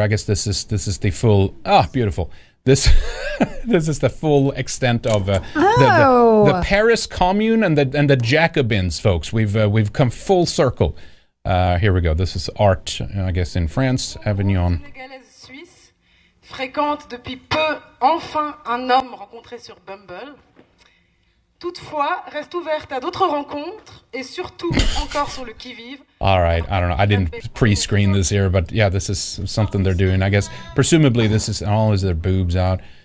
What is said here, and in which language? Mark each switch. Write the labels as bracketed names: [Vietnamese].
[English] I guess this is the full. Ah, beautiful. This is the full extent of the Paris Commune and the Jacobins, folks. We've come full circle. Here we go. This is art, I guess, in France, Avignon. [French] Fréquente depuis peu enfin un homme rencontré sur Bumble. Toutefois, reste ouverte à d'autres rencontres et surtout encore sur le qui-vive. [English] All right, I don't know. I didn't pre-screen this here, but yeah, this is something they're doing. I guess presumably this is always their boobs out.